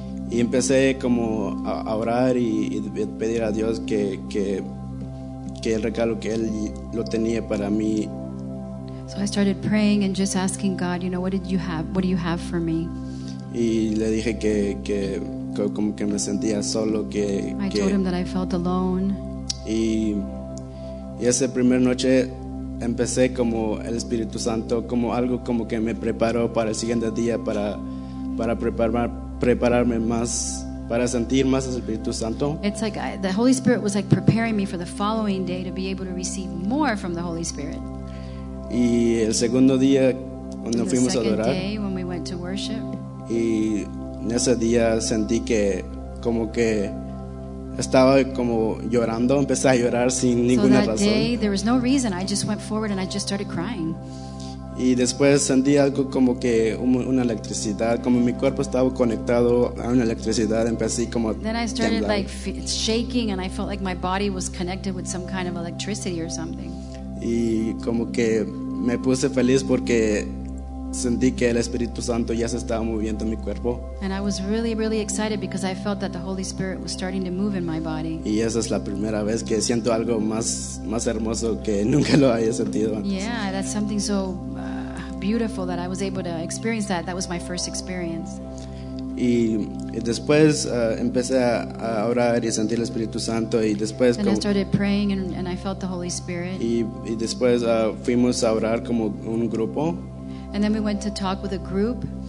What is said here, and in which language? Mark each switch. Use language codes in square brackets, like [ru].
[es] Y empecé como a orar y pedir a Dios que el regalo que él lo tenía para mí. [en] So I started praying and just asking God, you know, what did you have? What do you have for me? [es] Y le dije que como que me sentía solo, que [en] I told him that I felt alone. [es] Y esa primera noche empecé como el Espíritu Santo, como algo como que me preparó para el siguiente día, para prepararme más, para sentir más el Espíritu Santo. [en] It's like the Holy Spirit was like preparing me for the following day to be able to receive more from the Holy Spirit. [es] Y el segundo día cuando fuimos a adorar, [en] the second day when we went to worship, [es] y en ese día sentí que como que estaba como llorando, empecé a llorar sin ninguna razón. [en] So that day, there was no reason. I just went forward and I just started crying. [es] Y después sentí algo como que una electricidad, como mi cuerpo estaba conectado a una electricidad, empecé como [en] Then I started like shaking and I felt like my body was connected with some kind of electricity or something. [es] Y como que me puse feliz porque sentí que el Espíritu Santo ya se estaba moviendo en mi cuerpo. [en] And I was really, really excited because I felt that the Holy Spirit was starting to move in my body. [es] Y esa es la primera vez que siento algo más hermoso que nunca lo haya sentido antes. [en] Yeah, that's something so beautiful that I was able to experience that. That was my first experience. [es] Y después empecé a orar y sentir el Espíritu Santo y después [en] And I started praying and I felt the Holy Spirit. [es] Y después fuimos a orar como un grupo. [en] And then we went to talk with a group.